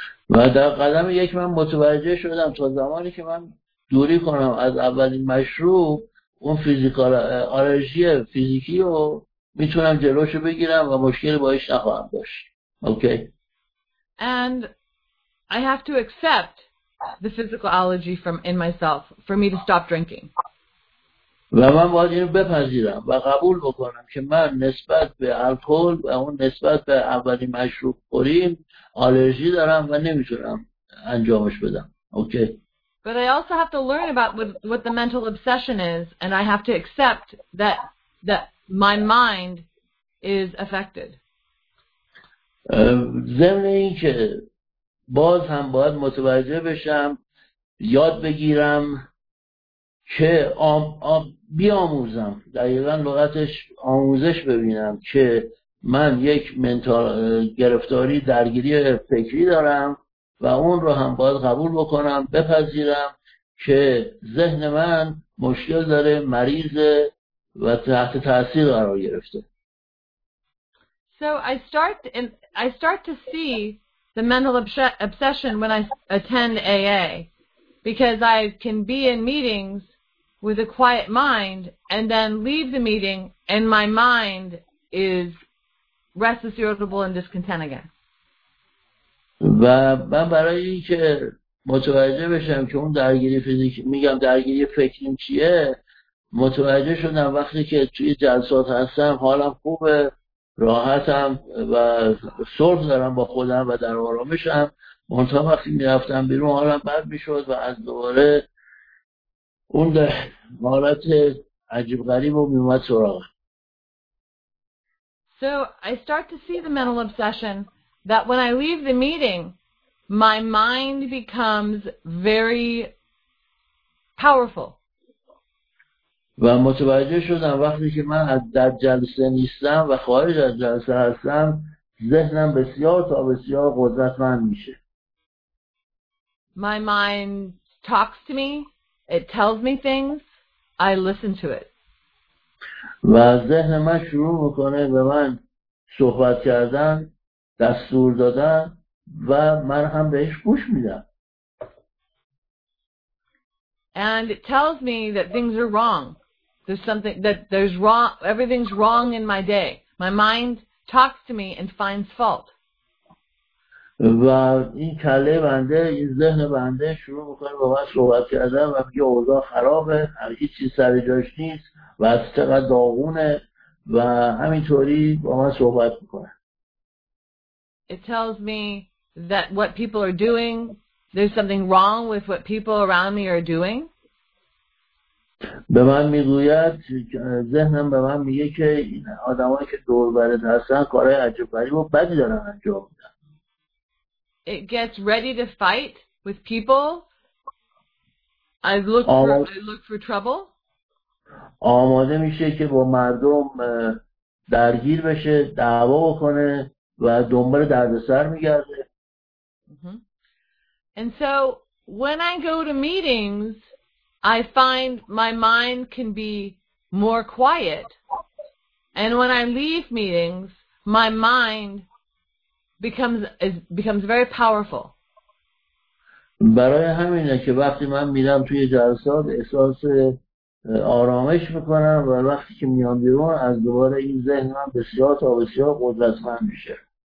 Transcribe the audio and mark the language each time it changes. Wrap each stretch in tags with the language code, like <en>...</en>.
<fa>و در قدم یک من متوجه شدم تا زمانی که من دوری کنم از اولین مشروب، اون فیزیکال آلرژی فیزیکی رو میتونم جلوش بگیرم و مشکل باهاش نخواهم داشت.</fa> <en>Okay. And I have to accept the physical allergy from in myself for me to stop drinking.</en> <fa>و من باید اینو بپذیرم و قبول بکنم که من نسبت به الکل و اون نسبت به اولین مشروب خوریم آلرژی دارم و نمیتونم انجامش بدم.</fa> <en>Okay. But I also have to learn about what the mental obsession is, and I have to accept that my mind is affected.</en> <fa>ضمن این که باز هم باید متوجه بشم، یاد بگیرم که بیاموزم، دقیقا لغتش آموزش ببینم که من یک منتال گرفتاری درگیری فکری دارم و اون رو هم باید قبول بکنم، بپذیرم که ذهن من مشکل داره، مریض و تحت تأثیر قرار گرفته.</fa> <en>So I start to see the mental obsession when I attend AA, because I can be in meetings with a quiet mind and then leave the meeting and my mind is restless, irritable, and discontent again.</en> <fa>و من برای اینکه متوجه بشم که اون درگیری فیزیکی میگم درگیری فکریم چیه، متوجه شدم وقتی که توی جلسات هستم حالم خوبه، راحتم و صلح دارم با خودم و در آرامشم، منتها وقتی میرفتم بیرون حالم بد میشد و از دوباره اون حالت عجیب غریب و میومد سراغم.</fa> <en>So I start to see the mental obsession that when I leave the meeting, my mind becomes very powerful.</en> <fa>و متوجه شدم وقتی که من در جلسه نیستم و خارج از جلسه هستم، ذهنم بسیار تا بسیار قدرتمند میشه.</fa> <en>My mind talks to me, it tells me things, I listen to it.</en> <fa>و ذهن من شروع میکنه به من صحبت کردن، دستور دادن و من هم بهش گوش میدم.</fa> <en>And it tells me that things are wrong. There's something that there's wrong, everything's wrong in my day. My mind talks to me and finds fault.</en> <fa>و این کله بنده، این ذهن بنده شروع میکنه با من صحبت کردن و میگه اوضاع خرابه، هیچ چیز سر جاش نیست و از چقدر داغونه و همینطوری با من صحبت میکنه.</fa> <en>It tells me that what people are doing, there's something wrong with what people around me are doing.</en> <fa>به من میگوید، ذهنم به من میگه که این آدمایی که دور برت هستن کارهای عجب غریب و بدی دارن انجام میدن.</fa> <en>It gets ready to fight with people. I look for trouble.</en> <fa>آماده میشه که با مردم درگیر بشه، دعوا بکنه و دنبال دردسر میگرده.</fa> <en>And so when I go to meetings, I find my mind can be more quiet. And when I leave meetings, my mind becomes very powerful.</en> <fa>برای همینه که وقتی من میرم توی جلسات احساس آرامش میکنم و وقتی که میام بیرون از دوباره این ذهن من بسیار تا بسیار قدرتمند میشه.</fa>